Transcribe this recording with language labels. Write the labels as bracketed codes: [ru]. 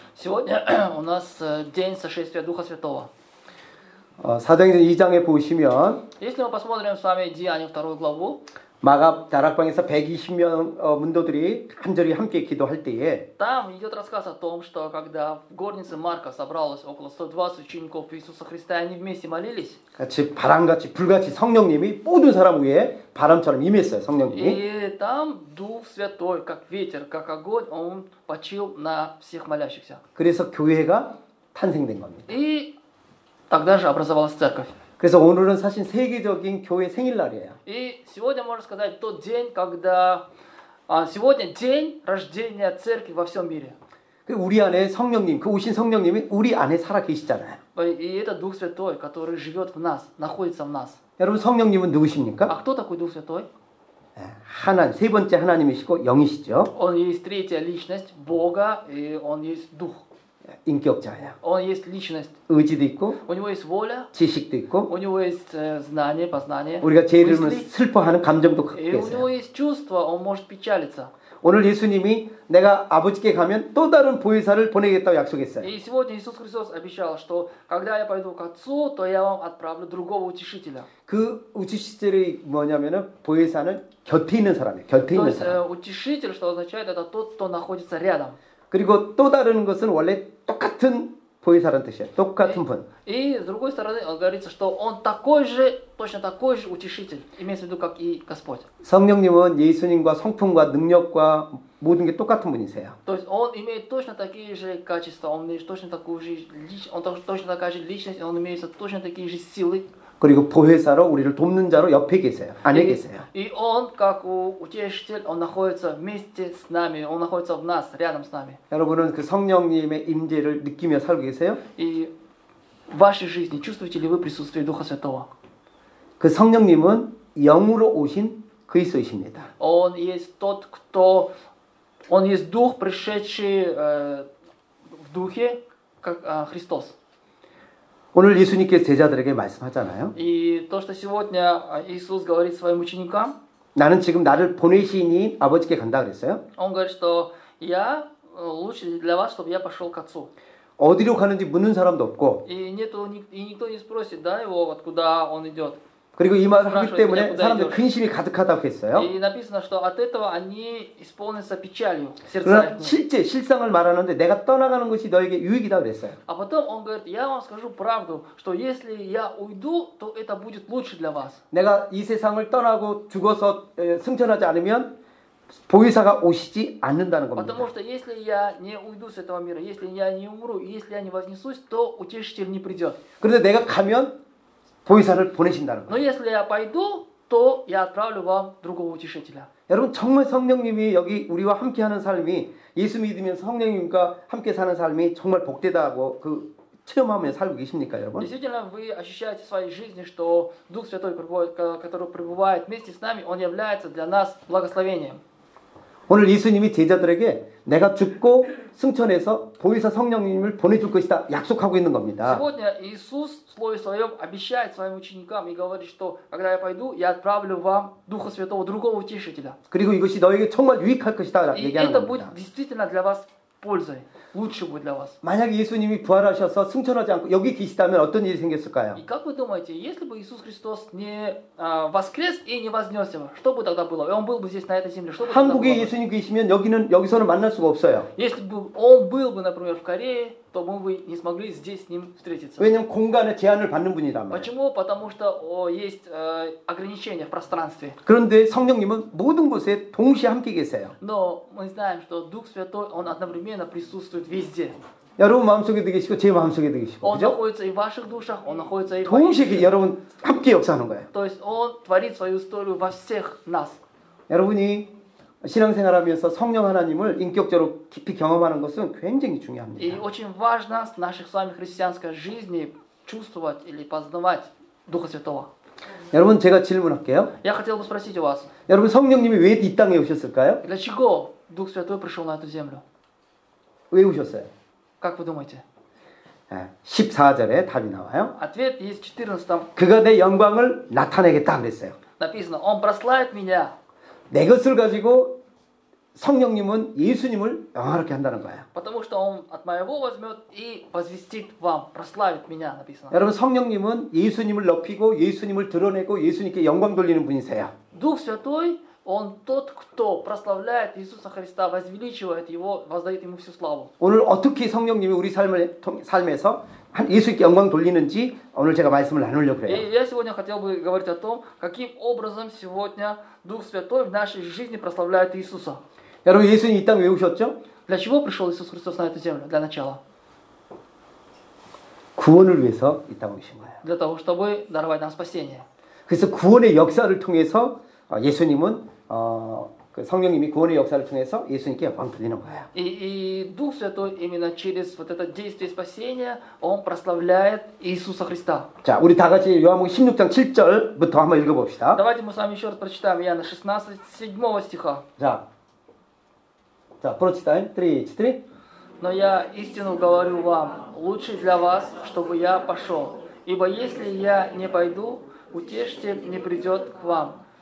[ru] Сегодня у нас день сошествия Духа Святого. [ko] 사도행전 2장에 보시면 [ru] Если мы посмотрим с вами Деяния вторую главу, [ko] 마가 다락방에서 120명 문도들이 간절히 함께 기도할 때에 [ru] Там идёт рассказ о том, что когда в горнице Марка собралось около 120 учеников Иисуса Христа, они вместе молились. [ko] 같이 바람같이 불같이 성령님이 모든 사람 위에 바람처럼 임했어요, 성령님이. [ru] И там Дух Святой, как ветер, как огонь, он почил на всех молящихся. [ko] 그래서 교회가 탄생된 겁니다. [ru] И тогда же образовалась церковь. [ko] 그래서 오늘은 사실 세계적인 교회 생일날이에요. [ru] И сегодня можно сказать тот день, когда сегодня день рождения церкви во всём мире. [ko] 그 우리 안에 성령님, 그 오신 성령님이 우리 안에 살아 계시잖아요. [ru] И это Дух Святой, который живёт в нас, находится в нас. [ko] 여러분 성령님은 누구십니까? [ru] А кто такой Дух Святой? [ko] 하나님, 세 번째 하나님이시고 영이시죠. [ru] Он есть третья личность Бога, и он есть Дух. [ko] 인격자야. [ru] Он есть личность. [ko] 의지도 있고. [ru] У него есть воля. [ko] 지식도 있고. [ru] У него есть знание, познание. [ko] 우리가 제 이름을 슬퍼하는 감정도 갖고 있어요. [ru] И у него есть чувство, он может печалиться. [ko] 오늘 예수님이 내가 아버지께 가면 또 다른 보혜사를 보내겠다고 약속했어요. [ru] И сегодня Иисус Христос обещал, что когда я пойду к Отцу, то я вам отправлю другого утешителя. [ko] 그 утешитель이 뭐냐면은 보혜사는 곁에 있는 사람이에요. 곁에 있는 사람. [ru] То есть утешитель, что означает, это тот, кто находится рядом. [ko] 그리고 또 다른 것은 원래 똑같은 보혜사라는 뜻이에요. 똑같은 분. [ru] 이 с другой стороны, он говорится, что он такой же, точно такой же утешитель, имеется в виду, как и Господь. [ko] 성령님은 예수님과 성품과 능력과 모든 게 똑같은 분이세요. [ru] То есть он имеет точно такие же качества, он имеет точно такую же личность, он точно такая же личность, он имеет точно такие же силы. [ko] 그리고 보혜사로 우리를 돕는 자로 옆에 계세요. 안에 계세요. [ru] И он как утешитель, он находится вместе с нами. Он находится в нас, рядом с нами. [ko] 여러분은 그 성령님의 임재를 느끼며 살고 계세요? [ru] И в вашей жизни чувствуете ли вы присутствие Духа Святого? [ko] 그 성령님은 영으로 오신 그리스도이십니다. [ru] Он есть тот, кто он есть дух, пришедший в духе, как Христос. [ko] 오늘 예수님께서 제자들에게 말씀하잖아요. [ru] И то, что сегодня Иисус говорит своим ученикам. [ko] 나는 지금 나를 보내신 이 아버지께 간다 그랬어요. [ru] Он говорит, что я лучше для вас, чтобы я пошёл к Отцу. [ko] 어디로 가는지 묻는 사람도 없고. [ru] И нету и никто не спросит, да, его откуда он идёт. [ko] 그리고 이 말을 하기 때문에 사람들 근심이 가득하다고 했어요. [ru] И написано, что от этого они исполнятся печалью. [ko] 실제 실상을 말하는데 내가 떠나가는 것이 너에게 유익이다 그랬어요. [ru] А потом он говорит: "Я вам скажу правду, что если я уйду, то это будет лучше для вас." [ko] 내가 이 세상을 떠나고 죽어서 승천하지 않으면 보혜사가 오시지 않는다는 겁니다. [ru] Потому что если я не уйду с этого мира, если я не умру, если я не вознесусь, то утешитель не придёт. [ko] 그런데 내가 가면 보혜사를 보내신다는 거예요. [ru] Но если я пойду, то я отправлю вам другого утешителя. [ko] 여러분 정말 성령님이 여기 우리와 함께하는 삶이 예수 믿으면 성령님과 함께 사는 삶이 정말 복되다고 그 체험하며 살고 계십니까, 여러분? [ru] Действительно, вы ощущаете в своей жизни, что Дух Святой, который пребывает вместе с нами, он является для нас благословением. [ko] 오늘 예수님이 제자들에게 내가 죽고 승천해서 보혜사 성령님을 보내줄 것이다 약속하고 있는 겁니다. [ru] Сегодня Иисус в слове своем обещает своим ученикам и говорит, что когда я пойду, я отправлю вам Духа Святого, другого утешителя. [ko] 그리고 이것이 너에게 정말 유익할 것이다 얘기하는 겁니다. [ru] И это будет действительно для вас пользой, лучше будет для вас. [ko] 만약에 예수님이 부활하셔서 승천하지 않고 여기 계시다면 어떤 일이 생겼을까요? [ru] И как вы думаете, если бы Иисус Христос не воскрес и не вознесся, что бы тогда было? Он был бы здесь на этой земле, что бы тогда было? [ko] 한국에 예수님 계시면 여기는 여기서는 만날 수가 없어요. [ru] Если бы он был бы, например, в Корее, то мы бы не смогли здесь с ним встретиться. [ko] 왜냐면 공간의 제한을 받는 분이라면. [ru] Почему? Потому что есть ограничения в пространстве. [ko] 그런데 성령님은 모든 곳에 동시에 함께 계세요. [ru] Но мы знаем, что Дух Святой, он одновременно присутствует везде. [ko] 여러분 마음속에도 계시고 제 마음속에도 계시고. 그렇죠? [ru] Он находится и в ваших душах, он находится и в [ko] 동시에 여러분 함께 역사하는 거예요. [ru] То есть он творит свою историю во всех нас. [ko] 여러분이 신앙생활하면서 성령 하나님을 인격적으로 깊이 경험하는 것은 굉장히 중요합니다. [ru] И очень важно в наших с вами христианской жизни чувствовать или познавать Духа Святого. [ko] 여러분 제가 질문할게요. [ru] Я хотел бы спросить у вас. [ko] 여러분 성령님이 왜 이 땅에 오셨을까요? [ru] Для чего Дух Святой пришёл на эту землю? [ko] 왜 오셨어요? [ru] Как вы думаете? [ko] 14절에 답이 나와요. [ru] Ответ есть в 14. [ko] 그가 내 영광을 나타내겠다 그랬어요. [ru] Написано, он прославит меня. [ko] 내 것을 가지고 성령님은 예수님을 영화롭게 한다는 거예요. [ru] Потому что он от моего возьмёт и возвестит вам, прославит меня, написано. [ko] 여러분, 성령님은 예수님을 높이고 예수님을 드러내고 예수님께 영광 돌리는 분이세요. [ru] Дух Святой, он тот, кто прославляет Иисуса Христа, возвеличивает его, воздаёт ему всю славу. [ko] 오늘 어떻게 성령님이 우리 삶을 삶에서 예수께 영광 돌리는지 오늘 제가 말씀을 나누려고 그래요. [ru] Я сегодня хотел бы говорить о том, каким образом сегодня Дух Святой в нашей жизни прославляет Иисуса. [ko] 여러분, 예수님 이 땅 왜 오셨죠? [ru] Для чего пришёл Иисус Христос на эту землю? Для начала. [ko] 구원을 위해서 이 땅 오신 거예요. [ru] Для того, чтобы даровать нам спасение. [ko] 그래서 구원의 역사를 통해서 예수님은 그 성령님이 구원의 역사를 통해서 예수님께 영광 돌리는 거예요. [ru] И Дух Святой именно через вот это действие спасения он прославляет Иисуса Христа. [ko] 자, 우리 다 같이 요한복음 16장 7절부터 한번 읽어 봅시다. [ru] Давайте мы с вами ещё раз прочитаем Иоанна 16, 7 стиха. [ko] 자. 자, [ru] прочитаем [ko] 3:4. [ru] Но я истину говорю вам, лучше для вас, чтобы я пошёл. Ибо если я не пойду, утешитель не придёт к вам.